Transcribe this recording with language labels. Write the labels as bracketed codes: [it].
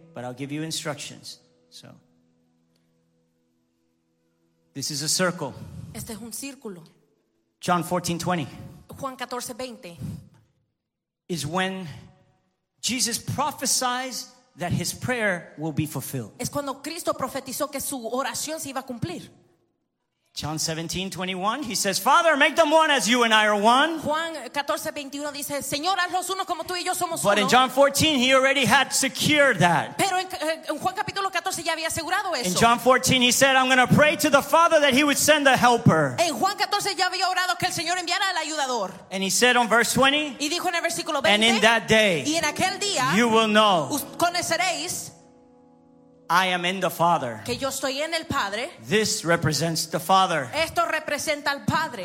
[en] But I'll give you instructions. So, this is a circle. [es] Este es un círculo. [en] John 14:20. [es] Juan 14:20. [en] Is when Jesus prophesies that his prayer will be fulfilled. [es] Es cuando Cristo profetizó que su oración se iba a cumplir. [en] John 17:21, he says, Father, make them one as you and I are one. [es] Juan 14:21 dice, Señor, hazlos uno como tú y yo somos uno. [en] But in John 14, he already had secured that. [es] Pero en Juan capítulo 14 ya había asegurado eso. [en] In John 14, he said, I'm going to pray to the Father that he would send the helper. [es] En Juan 14 ya había orado que el Señor enviara al ayudador. [en] And he said on verse 20, [es] y dijo en el versículo 20, [en] and in that day, [es] y en aquel día, [en] you will know, [es] conoceréis, [en] I am in the Father. [es] Que yo estoy en el Padre. [en] This represents the Father. [es] Esto representa al Padre.